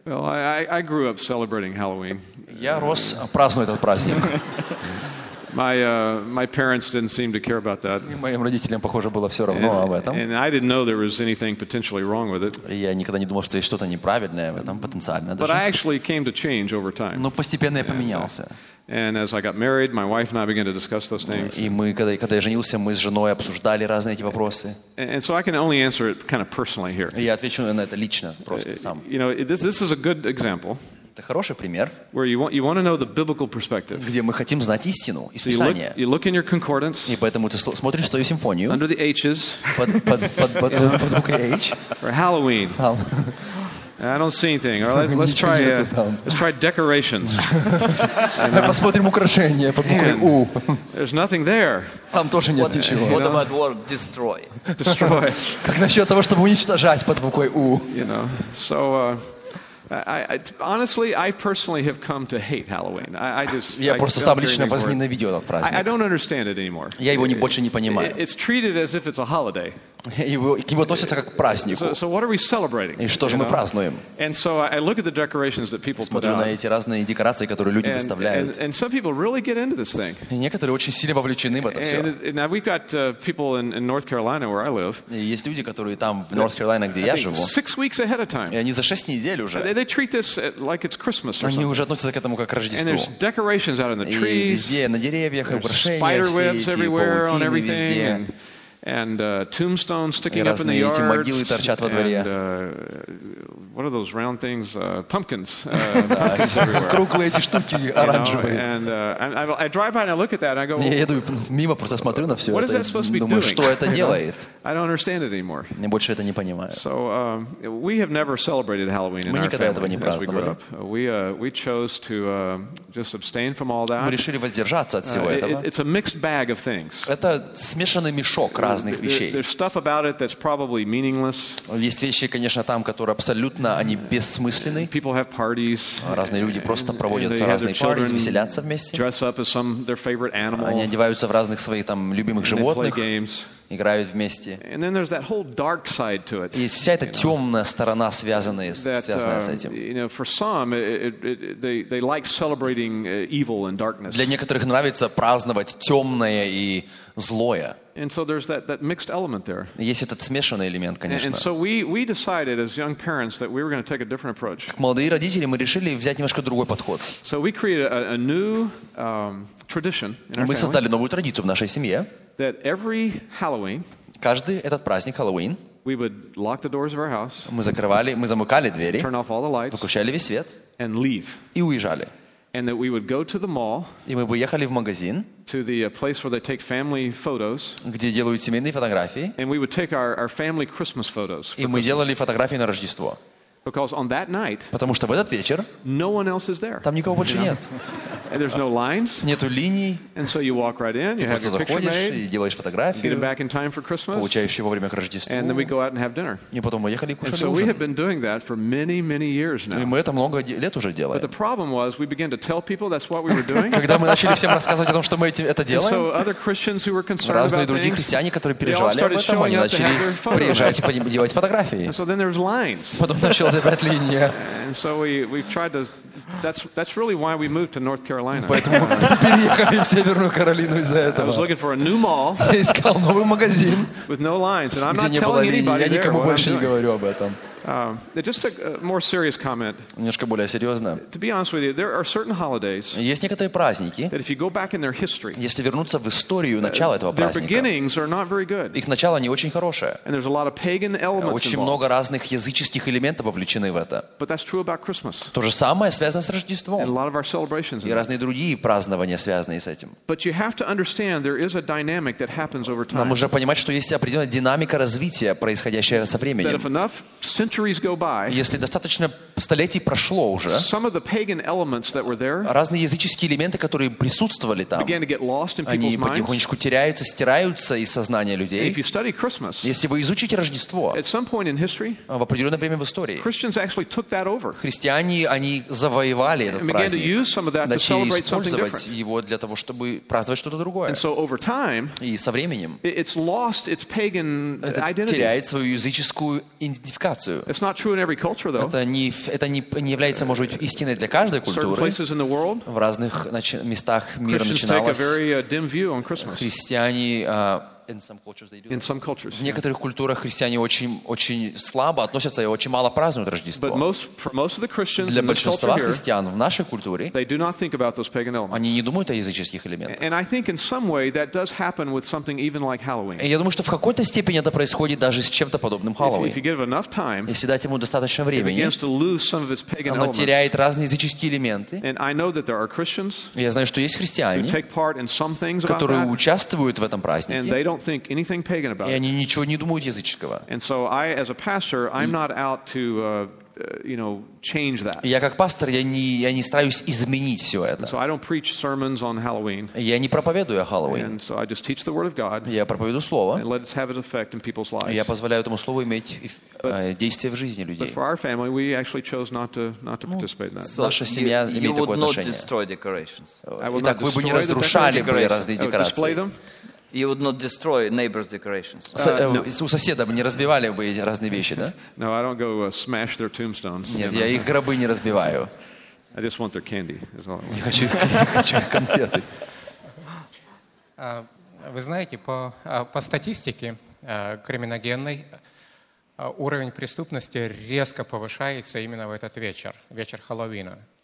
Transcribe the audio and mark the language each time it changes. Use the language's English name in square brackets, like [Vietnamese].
[English] Well, I grew up celebrating Halloween. [Russian] Я рос, праздную этот праздник. [English] My parents didn't seem to care about that. [Russian] Моим родителям, похоже, было все равно об этом. [English] And I didn't know there was anything potentially wrong with it. [Russian] Я никогда не думал, что есть что-то неправильное в этом потенциально. [English] But I actually came to change over time. [Russian] Но постепенно я поменялся. [English] And as I got married, my wife and I began to discuss those things. [Russian] И мы, когда я женился, мы с женой обсуждали разные эти вопросы. [English] And so I can only answer it kind of personally here. [Russian] Я отвечу на это лично, просто сам. [English] You know, this is a good example. [Russian] Это хороший пример. [English] Where you want to know the biblical perspective. [Russian] Где мы хотим знать истину из Писания. [English] You look in your concordance. [Russian] И поэтому ты смотришь свою симфонию. [English] Under the H's. [Russian] Под буквой H. [English] Or Halloween. I don't see anything. All right, let's try decorations. [Russian] Посмотрим украшения под буквой U. [English] There's nothing there. [Russian] Там тоже нет ничего. [English] What about word destroy? Destroy. [Russian] Как насчет того, чтобы уничтожать под буквой U? [English] You know, so. I personally have come to hate Halloween. [Russian] Я просто сам лично возненавидел этот праздник. [English] I don't understand it anymore. [Russian] Я его больше не понимаю. [English] It's treated as if it's a holiday. [Russian] К нему относятся как к празднику. [English] So what are we celebrating? [Russian] И что же мы празднуем? [English] And so I look at the decorations that people put up. [Russian] Смотрю на эти разные декорации, которые люди выставляют. [English] And some people really get into this thing. [Russian] И некоторые очень сильно вовлечены в это все. [English] And now we've got people in North Carolina where I live. [Russian] Есть люди, которые там в North Carolina, где я живу. [English] Six weeks ahead of time. [Russian] И они за 6 недель уже. [English] They treat this like it's Christmas or something. [Russian] Они уже относятся к этому как к Рождеству. [English] And there's decorations out on the trees. [Russian] И везде на деревьях украшения. [English] Spider webs everywhere on everything. And tombstones sticking up in the yard. [Russian] Разные могилы торчат во дворе. [English] What are those round things? Pumpkins. [Russian] Круглые эти штуки оранжевые. [English] And I drive by and I look at that and I go. [Russian] Я еду мимо, просто смотрю на все это. [English] What is that supposed to be doing? [Russian] Думаю, что это делает? [English] I don't understand it anymore. [Russian] Я больше это не понимаю. [English] So we have never celebrated Halloween in our family as we grew up. We chose to just abstain from all that. [Russian] Мы решили воздержаться от всего этого. [English] It's a mixed bag of things. [Russian] Это смешанный мешок. Разных вещей. [English] There's stuff about it that's probably meaningless. [Russian] Есть вещи, конечно, там, которые абсолютно они бессмысленны. [English] People have parties. [Russian] Разные люди просто проводят разные парties, веселятся вместе. [English] Dress up as some their favorite animal. [Russian] Они одеваются в разных своих там любимых животных. [English] They play games. [Russian] играют вместе. [English] And then there's that whole dark side to it. [Russian] И вся эта темная сторона, связанная с этим. [English] You know, for some, they like celebrating evil and darkness. [Russian] Для некоторых нравится праздновать темное и злое. [English] And so there's that mixed element there. [Russian] Есть этот смешанный элемент, конечно. [English] And so we decided as young parents that we were going to take a different approach. [Russian] Как молодые родители, мы решили взять немножко другой подход. [English] So we created a new tradition in our family. [Russian] Мы создали новую традицию в нашей семье. [English] That every Halloween, [Russian] каждый этот праздник Хэллоуин, [English] we would lock the doors of our house. [Russian] Мы замыкали двери. [English] Turn off all the lights. [Russian] Выключали весь свет. [English] And leave. [Russian] И уезжали. [English] And that we would go to the mall. [Russian] И мы бы ехали в магазин. [English] To the place where they take family photos. [Russian] Где делают семейные фотографии. [English] And we would take our family Christmas photos. [Russian] И мы делали фотографии на Рождество. [English] Because on that night, [Russian] потому что в этот вечер, [English] no one else is there. [Russian] Там никого больше нет. [English] And there's no lines. [Russian] Нету линий. [English] And so you walk right in. You have your picture made. [Russian] Ты просто заходишь и делаешь фотографию. [English] Get it back in time for Christmas. [Russian] Получаешь его вовремя к Рождеству. [English] And then we go out and have dinner. [Russian] И потом мы ехали кушать. [English] And so we have been doing that for many, many years now. [Russian] И мы это много лет уже делаем. [English] But the problem was, we began to tell people that's what we were doing. [Russian] Когда мы начали всем рассказывать о том, что мы это делаем. [English] So other Christians who were concerned about things. [Russian] Разные другие христиане, которые переживали об этом, они начали приезжать и делать фотографии. [English] So then there's lines. [Russian] Потом началась опять линия. [English] And so we've tried to. That's really why we moved to North Carolina. [Russian] Поэтому мы переехали в Северную Каролину из-за этого. [English] I was looking for a new mall. [Russian] Искал новый магазин. [English] With no lines, and I'm not telling anybody there what I'm doing. [Russian] Я никому больше не говорю об этом. [English] Just a more serious comment. [Russian] Немножко более серьезно. [English] To be honest with you, there are certain holidays. [Russian] Есть некоторые праздники. [English] That if you go back in their history. [Russian] Если вернуться в историю начала этого праздника. [English] Their beginnings are not very good. [Russian] Их начало не очень хорошее. [English] And there's a lot of pagan elements involved. [Russian] Очень много разных языческих элементов вовлечены в это. [English] But that's true about Christmas. [Russian] То же самое связано с Рождеством. [English] And a lot of our celebrations. [Russian] И разные другие празднования, связанные с этим. [English] But you have to understand there is a dynamic that happens over time. [Russian] Нам нужно понимать, что есть определенная динамика развития, происходящая со временем. [English] That if enough centuries go by. [Russian] Если достаточно столетий прошло уже. [English] Some of the pagan elements that were there. [Russian] Разные языческие элементы, которые присутствовали там. [English] Began to get lost in people's minds. [Russian] Они потихонечку теряются, стираются из сознания людей. [English] If you study Christmas. [Russian] Если вы изучите Рождество. [English] At some point in history. [Russian] В определенное время в истории. [English] Christians actually took that over. [Russian] Христиане, они завоевали этот праздник. [English] And began to use some of that to celebrate something different. [Russian] Начали использовать его для того, чтобы праздновать что-то другое. [English] And so over time. [Russian] И со временем. [English] It's lost its pagan identity. [Russian] Теряет свою языческую идентификацию. [English] It's not true in every culture, though. [Russian] Это не является, может быть, истиной для каждой культуры. [English] Certain places in the world. [Russian] В разных местах мира начиналось. [English] Christians take a very dim view on Christmas. [Russian] Христиане [English] in some cultures they do. In some cultures. [Russian] В некоторых культурах христиане очень слабо относятся и очень мало празднуют Рождество. [English] But most for most of the Christians. [Russian] Для большинства христиан в нашей культуре. [English] They do not think about those pagan elements. [Russian] Они не думают о языческих элементах. [English] And I think in some way that does happen with something even like Halloween. [Russian] Я думаю, что в какой-то степени это происходит даже с чем-то подобным Хэллоуин. [English] If you give enough time. [Russian] Если дать ему достаточно времени. [English] It begins to lose some of its pagan elements. [Russian] Оно теряет разные языческие элементы. [English] And I know that there are Christians. [Russian] Я знаю, что есть христиане. [English] Who take part in some things about that. [Russian] Которые участвуют в этом празднике. [English] And they don't think anything pagan about it. [Russian] И они ничего не думают языческого. [English] And so I, as a pastor, I'm not out to, you know, change that. [Russian] Я как пастор, я не стараюсь изменить все это. [English] So I don't preach sermons on Halloween. [Russian] Я не проповедую о Хэллоуин. [English] And so I just teach the word of God. [Russian] Я проповедую слово. [English] And let it have its effect in people's lives. [Russian] Я позволяю этому слову иметь действие в жизни людей. [English] But for our family, we actually chose not to participate in that. [Russian] Наша семья имеет такое отношение. [English] You would not destroy decorations. [Russian] Итак, вы бы не разрушали бы разные декорации. [English] Display them. You would not destroy neighbors' decorations. [Russian] У соседа бы не разбивали бы эти разные вещи, да? [English] No, I don't go smash their tombstones. [Russian] Нет, я их гробы не разбиваю. [English] I just want their candy. Is all I want. [Russian] Я хочу их конфеты. Вы знаете, по статистике криминогенной, уровень преступности резко повышается именно в этот вечер, вечер Хэллоуина.